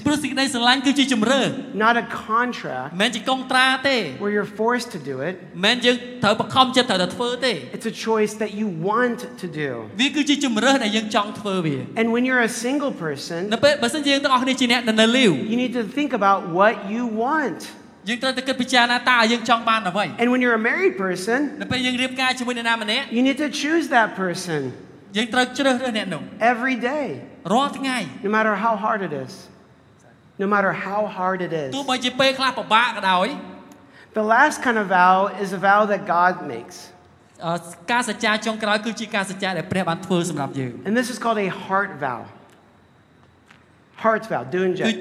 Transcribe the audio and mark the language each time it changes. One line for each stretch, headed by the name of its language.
English: Not a contract. Where you're forced to do it. It's a choice that you want to do. And when you're a single person, you need to think about what you want.
Khmer: យើងត្រូវតែគិតពិចារណាតើយើងចង់បានអ្វី
English: And when you're a married person
Khmer: នៅពេលយើងរៀបការជាមួយអ្នកណាម្នាក់
English: You need to choose that person
Khmer: យើងត្រូវជ្រើសរើសអ្នកនោះ
English: Every day
Khmer: រាល់ថ្ងៃ
English: No matter how hard it is No matter how hard it is
Khmer: ទោះបីជាពេលខ្លះពិបាកក៏ដោយ
English: The last kind of vow is a vow that God makes
Khmer: ការសច្ចាចុងក្រោយគឺជាការសច្ចាដែលព្រះបានធ្វើសម្រាប់យើង
English: And this is called a heart vow Heart vow doing just